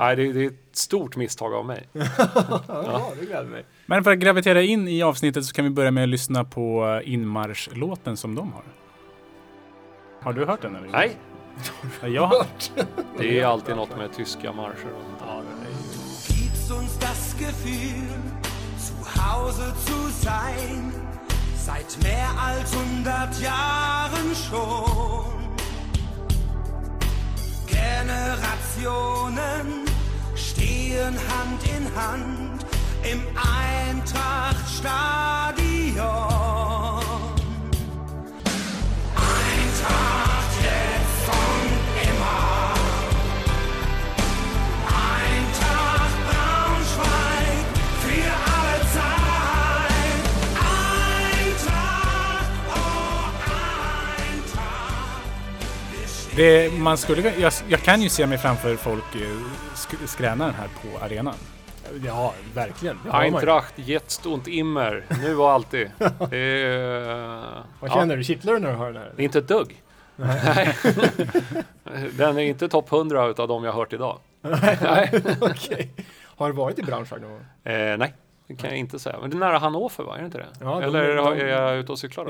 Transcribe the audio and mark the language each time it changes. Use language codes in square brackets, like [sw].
[sv] Nej, det är ett stort misstag av mig. Ja, det mig. Men för att gravitera in i avsnittet så kan vi börja med att lyssna på inmarschlåten som de har. Har du hört den eller? Nej. Jag har hört. Det är alltid något med tyska marscher. Ja, det är ju. [de] Gibt uns das Gefühl zu Hause zu sein. Seit mehr als 100 Jahren schon. Generationen stehen Hand in Hand im Eintrachtstadion. Eintracht jetzt und immer. Eintracht Braunschweig für alle Zeit. Eintracht, oh Eintracht. [sv] Det man skulle, jag kan ju se mig framför folk skränar här på arenan. Ja, verkligen. [de] Eintracht, jetzt und immer. [sv] Nu och alltid. Vad känner du? Kittlar du när du hör den här? Inte ett dugg. Nej. Den är inte topp 100 av de jag hört idag. Okej. Har du varit i Braunschweig någon gång? Nej, det kan jag inte säga. Men det är nära Hannover, va? Är det inte det? Ja, eller är jag ute och cyklar då?